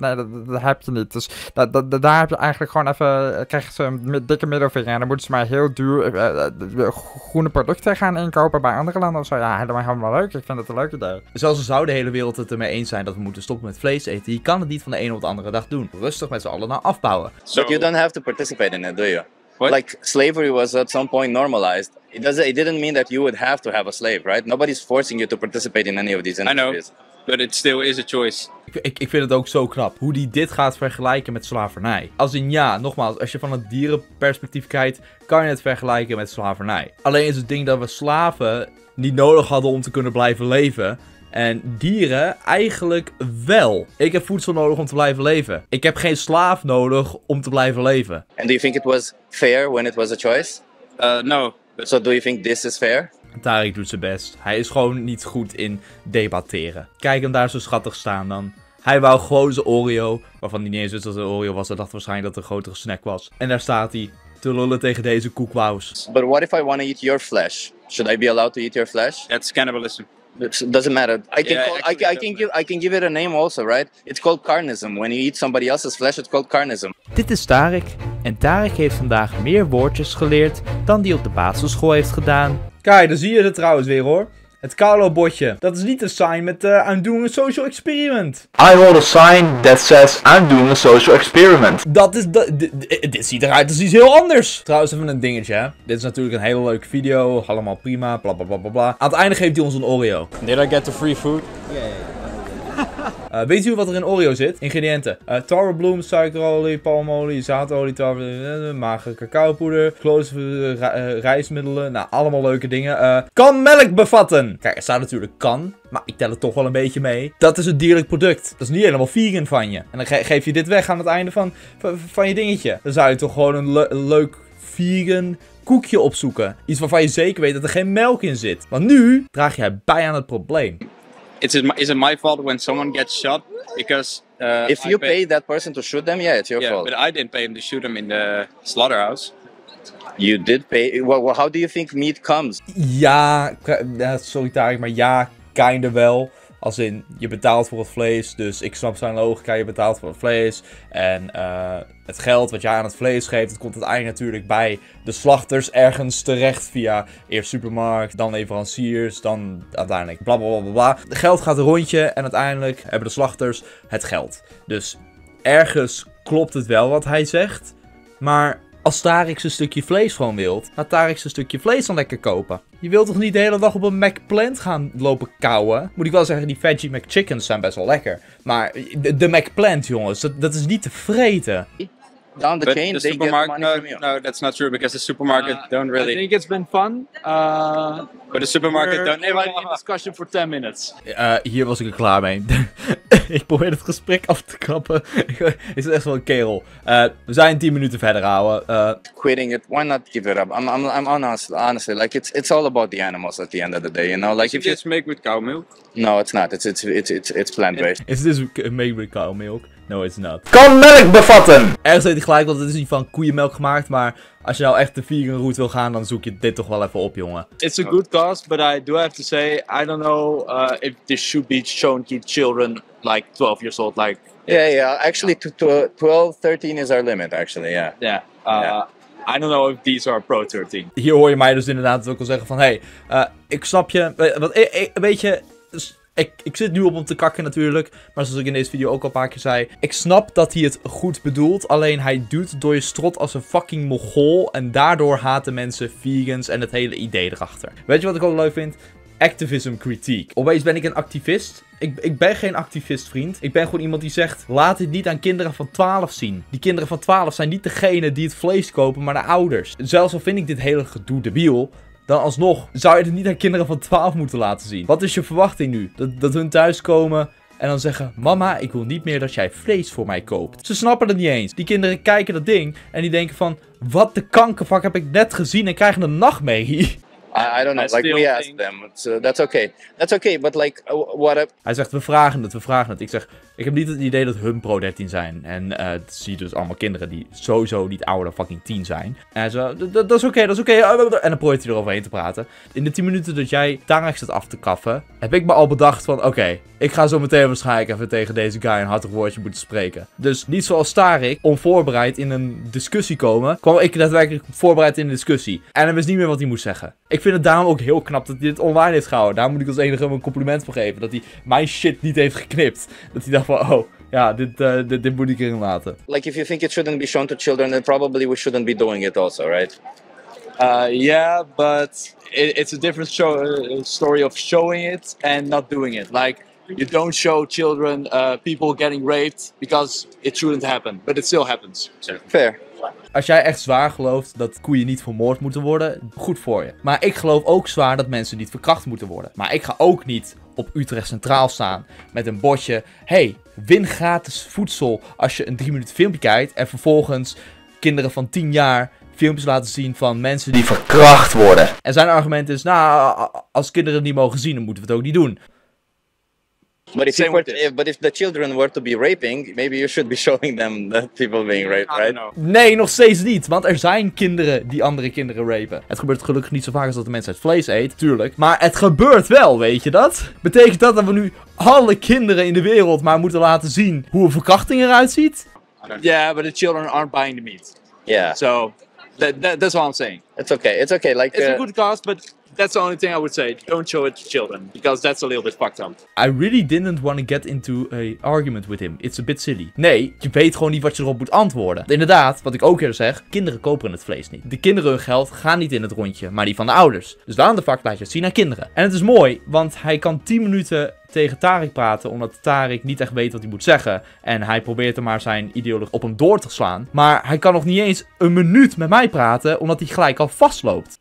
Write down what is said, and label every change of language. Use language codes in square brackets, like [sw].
[nl] Nee, dat heb je niet. Dus daar heb je eigenlijk gewoon even, krijg ze een dikke middelvinger en dan moeten ze maar heel duur groene producten gaan inkopen bij andere landen of zo. Ja, dat is helemaal leuk. Ik vind het een leuke idee. Zelfs zou de hele wereld het ermee eens zijn dat we moeten stoppen met vlees eten, je kan het niet van de ene op de andere dag doen. Rustig met z'n allen naar afbouwen. [en] So, but you don't have to participate in it, do you? What? Like, slavery was at some point normalized. It didn't mean that you would have a slave, right? Nobody's forcing you to participate in any of these interviews. I know, but it still is a choice. [nl] Ik vind het ook zo knap hoe die dit gaat vergelijken met slavernij. Als in ja, nogmaals, als je van het dierenperspectief kijkt, kan je het vergelijken met slavernij. Alleen is het ding dat we slaven niet nodig hadden om te kunnen blijven leven. En dieren eigenlijk wel. Ik heb voedsel nodig om te blijven leven. Ik heb geen slaaf nodig om te blijven leven. [en] And do you think it was fair when it was a choice? No. So do you think this is fair? [nl] Tariq doet zijn best. Hij is gewoon niet goed in debatteren. Kijk hem daar zo schattig staan dan. Hij wou gewoon zijn Oreo, waarvan hij niet eens wist dat het een Oreo was. Hij dacht waarschijnlijk dat het een grotere snack was. En daar staat hij te lullen tegen deze koekwaus. [en] But what if I want to eat your flesh? Should I be allowed to eat your flesh? That's cannibalism. It doesn't matter. I can give it a name also, right? It's called carnism. When you eat somebody else's flesh, it's called carnism. [nl] Dit is Tariq. En Tariq heeft vandaag meer woordjes geleerd dan die op de basisschool heeft gedaan. Kijk, dan zie je het trouwens weer hoor. Het Carlo bordje. Dat is niet een sign met [en] I'm doing a social experiment. I hold a sign that says I'm doing a social experiment. [nl] Dat is, dit ziet eruit als iets heel anders. Trouwens even een dingetje, hè. Dit is natuurlijk een hele leuke video. Allemaal prima, bla bla bla bla bla. Aan het einde geeft hij ons een Oreo. [en] Did I get the free food? [nl] Yeah. Weet u wat er in Oreo zit? Ingrediënten. Taro bloem, suikerolie, palmolie, zaadolie, mager cacaopoeder, kloof, rijstmiddelen. Nou, allemaal leuke dingen. Kan melk bevatten? Kijk, er staat natuurlijk kan, maar ik tel het toch wel een beetje mee. Dat is een dierlijk product. Dat is niet helemaal vegan van je. En dan geef je dit weg aan het einde van je dingetje. Dan zou je toch gewoon een leuk vegan koekje opzoeken. Iets waarvan je zeker weet dat er geen melk in zit. Want nu draag jij bij aan het probleem. [en] Is it my fault when someone gets shot? Because if you pay that person to shoot them, yeah, it's your fault. But I didn't pay him to shoot them in the slaughterhouse. You did pay. Well, how do you think meat comes? [nl] Ja, sorry Tariq, maar ja, kinder wel. Als in, je betaalt voor het vlees, dus ik snap zijn logica, je betaalt voor het vlees. En het geld wat je aan het vlees geeft, dat komt uiteindelijk natuurlijk bij de slachters ergens terecht. Via eerst supermarkt, dan leveranciers, dan uiteindelijk bla bla bla bla. Geld gaat een rondje en uiteindelijk hebben de slachters het geld. Dus ergens klopt het wel wat hij zegt. Maar als Tariq zijn stukje vlees gewoon wilt, laat Tariq zijn stukje vlees dan lekker kopen. Je wilt toch niet de hele dag op een McPlant gaan lopen kauwen? Moet ik wel zeggen, die Veggie McChickens zijn best wel lekker. Maar de McPlant, jongens, dat is niet te vreten. [en] Down the chain, they get money from you. No, that's not true, because the supermarket don't really... I think it's been fun. But the supermarket don't... We're in discussion for 10 minutes. [nl] Hier was ik er klaar mee. Ik probeer het gesprek af te kappen. Ik zit echt wel een kerel. We zijn 10 minuten verder, ouwe. [en] Quitting it, why not give it up? I'm honestly, like, it's all about the animals at the end of the day, you know? Like, is it just made with cow milk? No, it's not. It's plant-based. Is this made with cow milk? No, it's not. [nl] Kan melk bevatten! Ergens weet ik gelijk, want het is niet van koeienmelk gemaakt, maar als je nou echt de vegan route wil gaan, dan zoek je dit toch wel even op, jongen. [en] It's a good cause, but I do have to say, I don't know if this should be shown to children like 12 years old, like... Yeah, yeah, actually 12, 13 is our limit, actually, yeah. Yeah. I don't know if these are pro 13. [nl] Hier hoor je mij dus inderdaad ook al zeggen van, hey, ik snap je, want weet je... Ik zit nu op om te kakken natuurlijk, maar zoals ik in deze video ook al een paar keer zei, ik snap dat hij het goed bedoelt, alleen hij duwt door je strot als een fucking mogol en daardoor haten mensen vegans en het hele idee erachter. Weet je wat ik ook leuk vind? Activism kritiek. Opeens ben ik een activist. Ik ben geen activist, vriend. Ik ben gewoon iemand die zegt, laat dit niet aan kinderen van 12 zien. Die kinderen van 12 zijn niet degene die het vlees kopen, maar de ouders. Zelfs al vind ik dit hele gedoe debiel, dan alsnog zou je het niet aan kinderen van 12 moeten laten zien. Wat is je verwachting nu? Dat hun thuiskomen, En dan zeggen, mama, ik wil niet meer dat jij vlees voor mij koopt. Ze snappen het niet eens. Die kinderen kijken dat ding en die denken van, wat de kankervak heb ik net gezien en krijgen een nachtmerrie. [en] I don't know, like we asked them, so that's okay, but like, what up? [nl] Hij zegt, we vragen het. Ik zeg, ik heb niet het idee dat hun pro-13 zijn. En het zie dus allemaal kinderen die sowieso niet ouder dan fucking 10 zijn. En zo, dat is oké. En dan probeert hij eroverheen te praten. In de 10 minuten dat jij Tarek zit af te kaffen, heb ik me al bedacht van, oké, ik ga zo meteen waarschijnlijk even tegen deze guy een hartig woordje moeten spreken. Dus niet zoals Tarek, onvoorbereid in een discussie komen, kwam ik daadwerkelijk voorbereid in een discussie. En hij wist niet meer wat hij moest zeggen. Ik vind het daarom ook heel knap dat hij dit online heeft gehouden. Daar moet ik als enige hem een compliment voor geven. Dat hij mijn shit niet heeft geknipt. Dat hij dacht van, oh, ja, dit moet ik erin laten. [en] Like, if you think it shouldn't be shown to children, then probably we shouldn't be doing it also, right? Yeah, but it's a different story of showing it and not doing it. Like, you don't show children people getting raped because it shouldn't happen. But it still happens. Fair. [nl] Als jij echt zwaar gelooft dat koeien niet vermoord moeten worden, goed voor je. Maar ik geloof ook zwaar dat mensen niet verkracht moeten worden. Maar ik ga ook niet op Utrecht Centraal staan met een bordje. Hey, win gratis voedsel als je een 3-minuut filmpje kijkt. En vervolgens kinderen van 10 jaar filmpjes laten zien van mensen die verkracht worden. En zijn argument is, nou, als kinderen het niet mogen zien, dan moeten we het ook niet doen. [en] But if, if the children were to be raping, maybe you should be showing them that people being raped, right? [nl] Nee, nog steeds niet, want er zijn kinderen die andere kinderen rapen. Het gebeurt gelukkig niet zo vaak als dat de mens het vlees eet, tuurlijk. Maar het gebeurt wel, weet je dat? Betekent dat dat we nu alle kinderen in de wereld maar moeten laten zien hoe een verkrachting eruit ziet? [en] Yeah, but the children aren't buying the meat. Yeah. So, that's what I'm saying. It's okay. Like, it's a good cause, but that's the only thing I would say. Don't show it to children, because that's a little bit fucked up. I really didn't want to get into an argument with him. It's a bit silly. [nl] Nee, je weet gewoon niet wat je erop moet antwoorden. Inderdaad, wat ik ook eerder zeg, kinderen kopen het vlees niet. De kinderen hun geld gaan niet in het rondje, maar die van de ouders. Dus waarom de fuck laat je het zien naar kinderen? En het is mooi, want hij kan 10 minuten tegen Tarek praten, omdat Tarek niet echt weet wat hij moet zeggen. En hij probeert er maar zijn ideologie op hem door te slaan. Maar hij kan nog niet eens een minuut met mij praten, omdat hij gelijk al vastloopt.